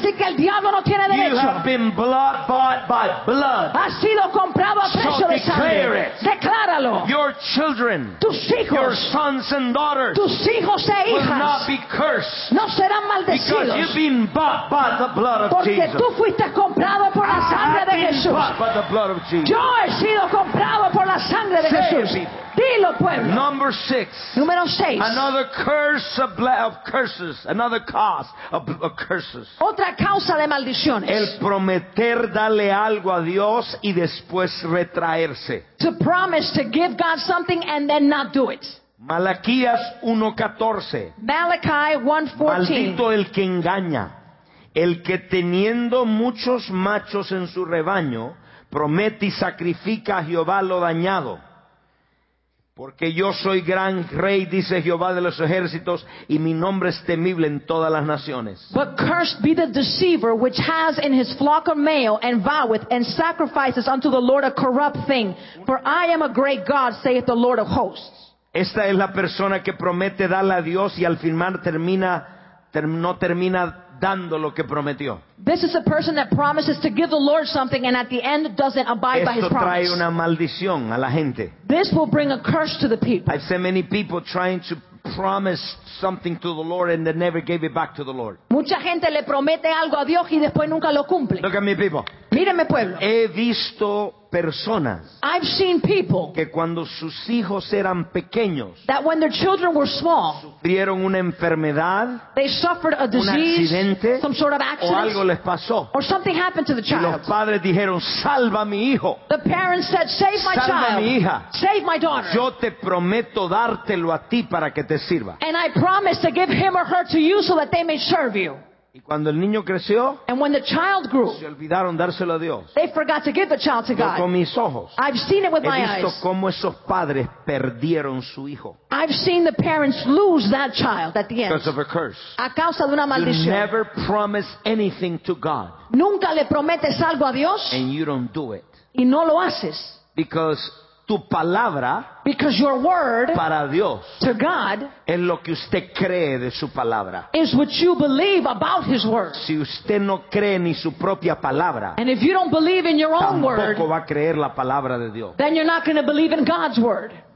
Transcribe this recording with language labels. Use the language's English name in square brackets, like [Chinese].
[Spanish] Así que el diablo no tiene derecho. [English] You have been blood bought by blood. [Spanish] Ha sido comprado a precio [English] so [Spanish] de sangre. [English] Declare it. [Spanish] Decláralo. [English] Your children. [Spanish] Tus hijos. [English] Your sons and daughters. [Spanish] Tus hijos e hijas. [English] Will not be cursed. [Spanish] No serán maldecidos. [English] Because you've been bought by the blood of [Spanish] porque [English] Jesus. [Spanish] Tú fuiste comprado por la sangre de Jesús. Yo he sido comprado por la sangre de [English] say [Spanish] Jesús. Dilo, pueblo. [English] Number six. [Spanish] Número 6. [English] Another curse of curses. Another cause of curses. [Spanish] Otra causa de maldiciones. El prometer darle algo a Dios y después retraerse. [English] To promise to give God something and then not do it. [Spanish] Malaquías 1:14. [English] Malachi 1:14. [Spanish] Maldito el que engaña. El que teniendo muchos machos en su rebaño, Promete y sacrifica a Jehová lo dañado. Porque yo soy gran rey, dice Jehová de los ejércitos, y mi nombre es temible en todas las naciones. [English] But cursed be the deceiver which has in his flock a male, and voweth, and sacrifices unto the Lord a corrupt thing. For I am a great God, saith the Lord of hosts. [Spanish] Esta es la persona que promete darle a Dios y al firmar no termina dando lo que prometió. [English] This is a person that promises to give the Lord something and at the end doesn't abide [Spanish] Esto [English] by his promise. [Spanish] Trae una maldición a la gente. [English] This will bring a curse to the people. I've seen many people trying to promise something to the Lord and they never gave it back to the Lord. [Spanish] Mucha gente le promete algo a Dios y después nunca lo cumple. [English] Look at me, people. [Spanish] Míreme, pueblo. He visto personas. [English] I've seen people [Spanish] que cuando sus hijos eran pequeños, [English] that when their children were small, [Spanish] sufrieron una enfermedad, [English] they suffered a disease, [Spanish] un accidente, [English] some sort of accident, [Spanish] o algo les pasó, [English] or something happened to the child. [Spanish] Y los padres dijeron, salva a mi hijo. [English] The parents said, save my child. [Spanish] Salva a mi hija. [English] Save my daughter. [Spanish] Yo te prometo dártelo a ti para que te sirva. [English] And I promise to give him or her to you so that they may serve you. [Spanish] Y cuando el niño creció, [English] and when the child grew, [Spanish] se olvidaron dárselo a Dios. [English] They forgot to give the child to God. [Spanish] Yo con mis ojos, [English] I've seen it with my eyes. [Spanish] He visto cómo esos padres perdieron su hijo. [English] I've seen the parents lose that child at the end. Because of a curse. [Spanish] A causa de una maldición. [English] You never promise anything to God. [Spanish] Nunca le prometes algo a Dios. [English] And you don't do it. [Spanish] Y no lo haces. [English] Because [Spanish] tu palabra, [English] because your word, [Spanish] para Dios, [English] to God, [Spanish] es lo que usted cree de su palabra, [English] is what you believe about his word. [Spanish] Si usted no cree ni su propia palabra, [English] and if you don't believe in your own word, [Spanish] tampoco va a creer la palabra de Dios, [English] then you're not going to believe in God's word.